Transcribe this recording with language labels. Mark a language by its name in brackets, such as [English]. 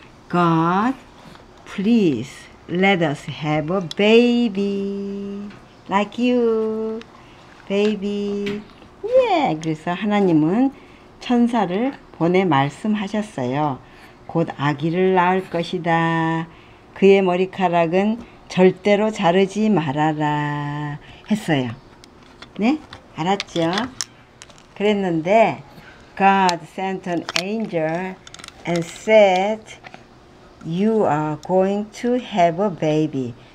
[English] God, please let us have a baby like you. Baby. Yeah. [Korean] 그래서 하나님은 천사를 보내 말씀하셨어요. 곧 아기를 낳을 것이다. 그의 머리카락은 절대로 자르지 말아라. 했어요. 네? 알았죠? 그랬는데 [English] God sent an angel and said You are going to have a baby.